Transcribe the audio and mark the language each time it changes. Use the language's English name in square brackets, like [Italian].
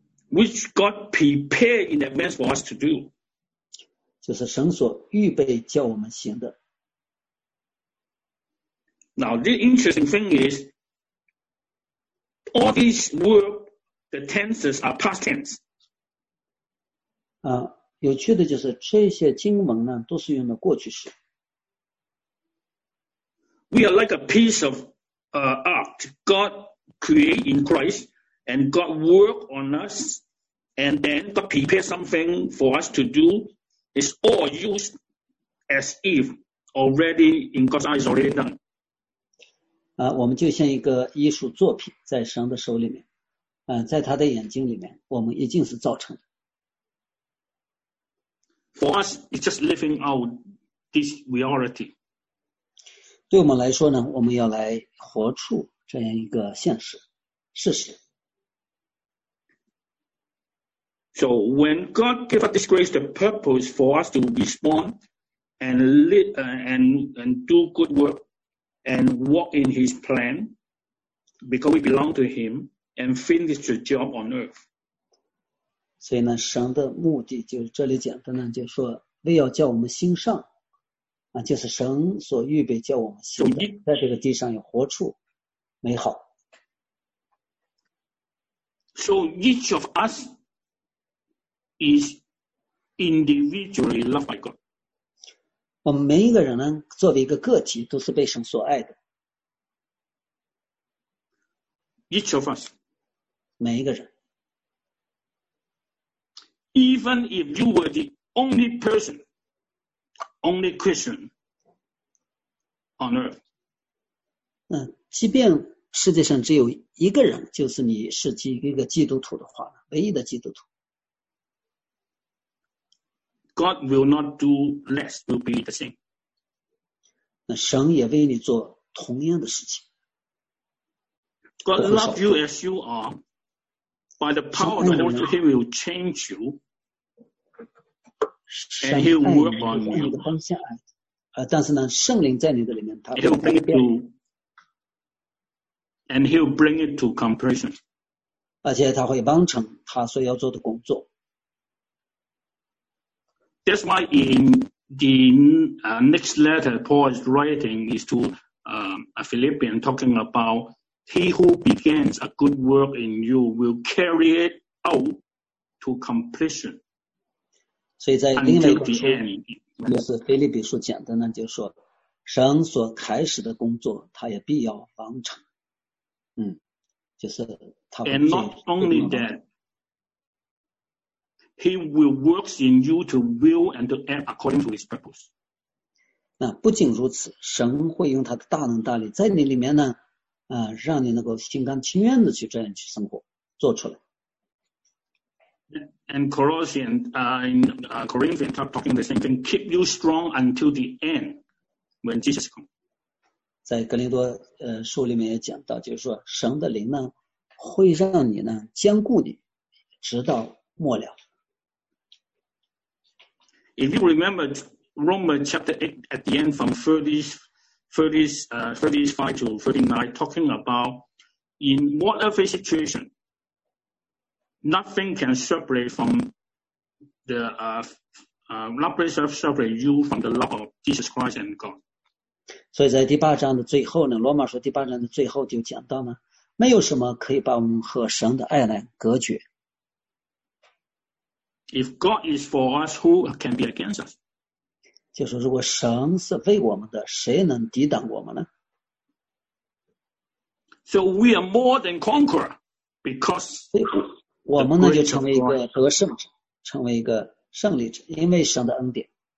[English] Which God prepared in advance for us to do. [Chinese] 就是神所预备叫我们行的。 [English] Now the interesting thing is,All these words, the tenses are past tense. [Chinese] 有趣的就是这些经文呢都是用的过去式。 [English] We are like a piece of art. God created in Christ and God worked on us and then God prepared something for us to do. It's all used as if already in God's eyes already done. [Chinese] 我们就像一个艺术作品在神的手里面。在他的眼睛里面我们已经是造成的。 [English] For us, it's just living out this reality. [Chinese] 对我们来说呢我们要来活出这样一个现实事实。 [English] So when God gave us this grace, the purpose for us to respond and live, and do good work and walk in his plan because we belong to him,and finish the job on earth. [Chinese] 所以呢神的目的就是这里讲的呢就是说为要叫我们兴上就是神所预备叫我们兴的在这个地上有活处美好。 [English] So each of us is individually loved by God. [Chinese] 我们每一个人呢作为一个个体都是被神所爱的。 [English] Each of us. [Chinese] 每一个人 [English] even if you were the only person only Christian on earth [Chinese] 即便世界上只有一个人就是你是一个基督徒的话唯一的基督徒 [English] God will not do less to be the same 那神也为你做同样的事情 God love you as you areby the power of the Lord, he will change you and he will work on you. [Chinese] 但是呢圣灵在你的里面他会改变。 [English] And he will bring it to completion. [Chinese] 而且他会完成他所要做的工作。 [English] That's why in the next letter Paul is writing is to a Philippian talking aboutHe who begins a good work in you will carry it out to completion. [Chinese] 所以在另外一本书就是腓立比书讲的呢就是说神所开始的工作他也必要完成。就是他不 [English] And not only that, he will work in you to will and to act according to his purpose. [Chinese] 那不仅如此神会用他的大能大力在你里面呢让你能够心甘情愿的去这样去生活做出来。 [English] And Corinthians are talking the same thing, keep you strong until the end when Jesus comes. [Chinese] 在格林多书里面也讲到就是说神的灵呢会让你呢坚固你直到末了。 [English] If you remember Romans chapter 8 at the end from 35 to 39, talking about in whatever situation, nothing can separate from the, separate you from the love of Jesus Christ and God. [Chinese] 所以在第八章的最后呢，罗马书第八章的最后就讲到呢，没有什么可以把我们和神的爱来隔绝。 [English] If God is for us, who can be against us? [Chinese] 就是如果神是为我们的谁能抵挡我们呢 [English] So we are more than conqueror because [Chinese] 我们呢就成为一个得胜者成为一个胜利者因为神的恩典